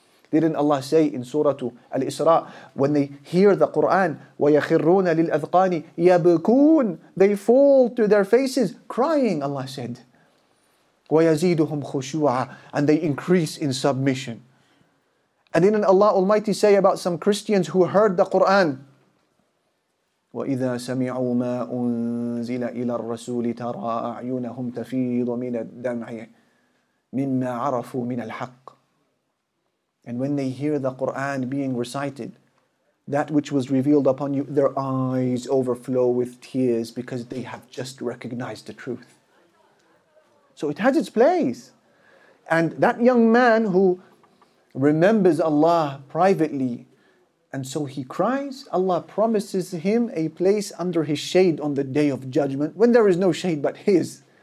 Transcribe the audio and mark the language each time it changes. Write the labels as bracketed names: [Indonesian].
[English] Didn't Allah say in Surah Al-Isra, when they hear the Qur'an, [Arabic] وَيَخِرُّونَ لِلْأَذْقَانِ يَبْكُونَ. [English] They fall to their faces crying, Allah said. [Arabic] وَيَزِيدُهُمْ خُشُوعًا. [English] And they increase in submission. And didn't Allah Almighty say about some Christians who heard the Qur'an, [Arabic] وَإِذَا سَمِعُوا مَا أُنزِلَ إِلَى الرَّسُولِ تَرَى أَعْيُنَهُمْ تَفِيضُ مِنَ الدَّمْعِ مِمَّا عَرَفُوا مِنَ الْحَقِّ. [English] And when they hear the Qur'an being recited, that which was revealed upon you, their eyes overflow with tears because they have just recognized the truth. So it has its place. And that young man who remembers Allah privately, and so he cries, Allah promises him a place under his shade on the Day of Judgment, when there is no shade but his.